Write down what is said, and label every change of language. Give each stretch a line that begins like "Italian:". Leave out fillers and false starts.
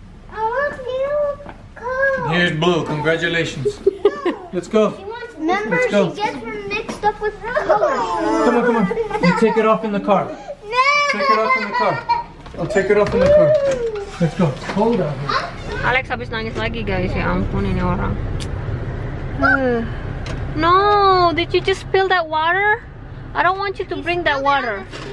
English: I want blue coat. Here's blue. Congratulations. Let's go. She gets mixed up with blue. Come on. You take it off in the car. No. Take it off in the car. I'll take it off in the car. Let's go. Hold on.
Indonesian: Alex habis nangis lagi guys, ya ampun ini orang.
English: No, did you just spill that water? I don't want you to bring that water.